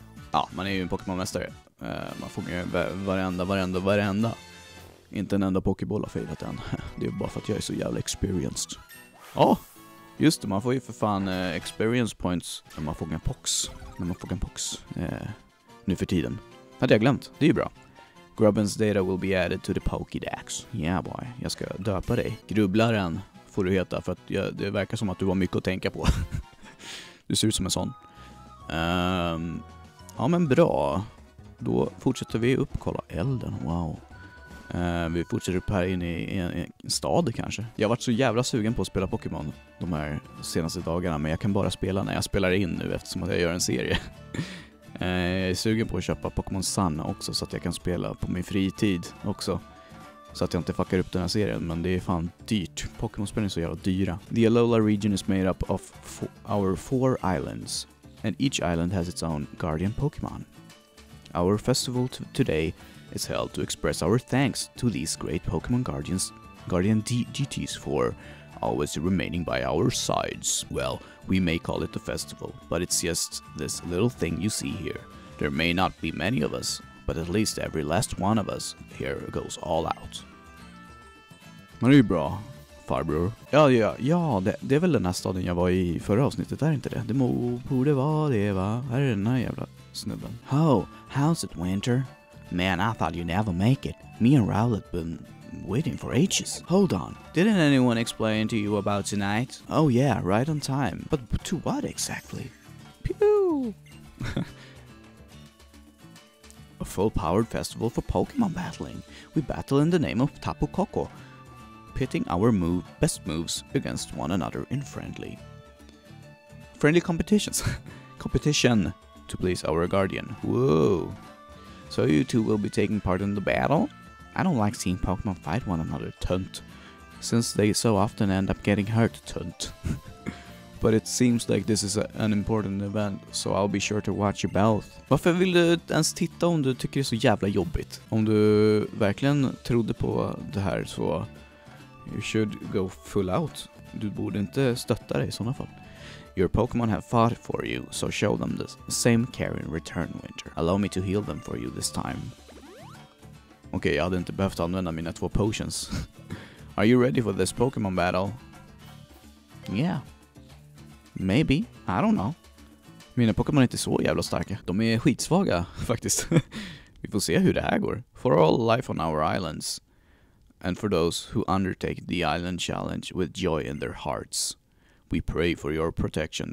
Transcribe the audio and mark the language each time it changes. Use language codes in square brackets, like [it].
[sv] Ja, man är ju en Pokémon-mästare. Man får ju varenda. Inte en enda Pokéball har failat än. Det är bara för att jag är så jävla experienced. Ja, oh, just det. Man får ju för fan experience points när man fångar Pox. När man fångar Pox. Nu för tiden. Hade jag glömt. Det är ju bra. [en] Grubbin's data will be added to the Pokédex. Yeah boy, [sv] jag ska döpa dig. Grubblaren får du heta, för att det verkar som att du har mycket att tänka på. Du ser ut som en sån. Ja men bra. Då fortsätter vi upp, kolla elden, wow. Vi fortsätter upp här inne i en stad kanske. Jag har varit så jävla sugen på att spela Pokémon de här senaste dagarna, men jag kan bara spela när jag spelar in nu eftersom att jag gör en serie. Jag är sugen på att köpa Pokémon Sun också så att jag kan spela på min fritid också. Så att jag inte fuckar upp den här serien, men det är fan dyrt. Pokémon-spel är så jävla dyra. [en] The Alola region is made up of our four islands. And each island has its own guardian Pokémon. Our festival today is held to express our thanks to these great Pokémon guardians, guardian deities for always remaining by our sides. Well, we may call it a festival, but it's just this little thing you see here. There may not be many of us, but at least every last one of us here goes all out. [sv] Men det är ju bra, farbror. Ja, det är väl den här staden jag var i förra avsnittet, är inte det? Det borde vara det, va? Här är den här jävla snubben. [en] Oh, how's it, Winter? Man, I thought you'd never make it. Me and Rowlet been waiting for ages. Hold on. Didn't anyone explain to you about tonight? Oh yeah, right on time. But to what exactly? Pew! A full-powered festival for Pokémon battling. We battle in the name of Tapu Koko, pitting our best moves against one another in friendly competitions. Competition to please our guardian. Whoa. So you two will be taking part in the battle? I don't like seeing Pokémon fight one another, tunt. Since they so often end up getting hurt, tunt. But it seems like this is an important event, so I'll be sure to watch you both. [sv] Varför vill du ens titta om du tycker det är så jävla jobbigt? Om du verkligen trodde på det här så... [en] You should go full out. [sv] Du borde inte stötta dig i sådana fall. [en] Your Pokémon have fought for you, so show them the same care in return, Winter. Allow me to heal them for you this time. [sv] Okej, jag hade inte behövt använda mina två potions. [en] Are you ready for this Pokémon battle? Yeah. Maybe. I don't know. [sv] Mina Pokémon är inte så jävla starka. De är skitsvaga, faktiskt. Vi får se hur det här går. [en] For all life on our islands. And for those who undertake the island challenge with joy in their hearts. We pray for your protection.